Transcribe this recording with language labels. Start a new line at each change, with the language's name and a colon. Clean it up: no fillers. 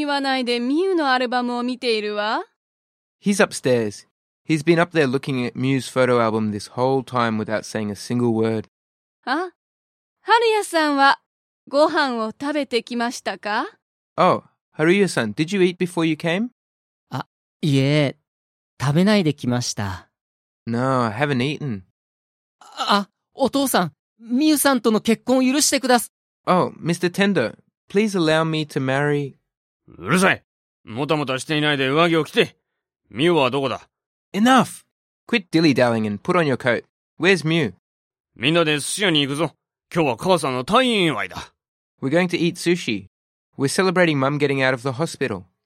Japanese: 2階にいます。さっきから何も言わないでミウのアルバムを見ているわ。
English: He's upstairs. He's been up there looking at Miu's photo album this whole time without saying a single word.
Japanese: あ、春屋さんはご飯を食べてきましたか?
English: Oh, Haruya-san, did you eat before you came?
Japanese: あ、いえ、食べないで来ました。
English: No, I haven't eaten.
Japanese: あ、お父さん、みゆさんとの結婚を許してください。Oh,
English: Mr. Tendo, please allow me to marry...
Japanese: うるさい。もたもたしていないで上着を着て。みゆはどこだ?
English: Enough! Quit dilly-dallying and put on your coat. Where's Miu?
Japanese: みんなで寿司屋に行くぞ。今日は母さんの退院祝いだ。
English: We're going to eat sushi. We're celebrating Mum getting out of the hospital.